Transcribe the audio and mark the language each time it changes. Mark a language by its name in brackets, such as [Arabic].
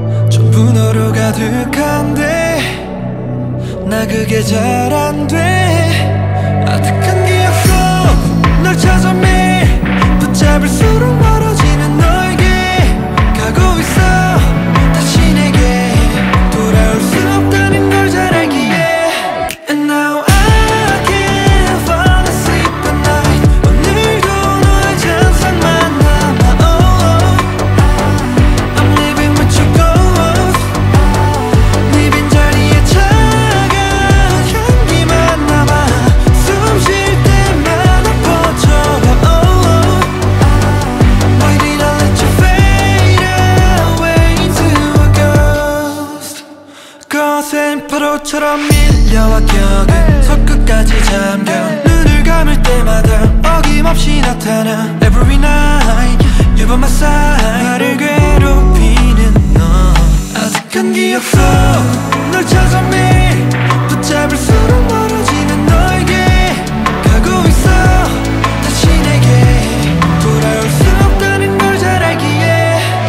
[Korean] 전부 너로 가득한데 나 그게 잘 안 돼. 아득한 기억으로 널 찾아 매일 붙잡을수록 멀어지는 너에게 가고 있어. 다시 내게 돌아올 수 없다는 걸 잘 알기에. [English] And now I can't fall asleep at night. [Korean] 오늘도 너의 잔상만 남아. Oh, oh. [English] I'm living with your ghost. [Korean] 네 빈자리에 차가운 향기만 남아. 숨 쉴 때마다 퍼져가. Oh, oh. [English] Why did I let you fade away into a ghost? [Korean] 거센 파도처럼 밀려와 격은 속끝까지 잠겨. 눈을 감을 때마다 어김없이 나타나. [English] Every night you're by my side. [Korean] 나를 괴롭히는 너. 아득한 기억 속 널 찾아 매일 붙잡을수록 멀어지는 너에게 가고 있어. 다시 내게 돌아올 수 없다는 걸 잘 알기에.